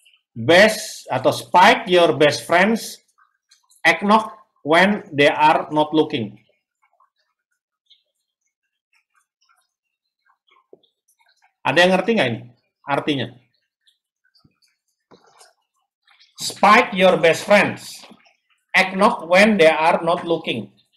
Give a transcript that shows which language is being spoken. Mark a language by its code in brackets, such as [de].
[en] Best atau spike your best friends eggnog when they are not looking. [id] Ada yang ngerti nggak ini artinya? [en] Spike your best friends eggnog when they are not looking.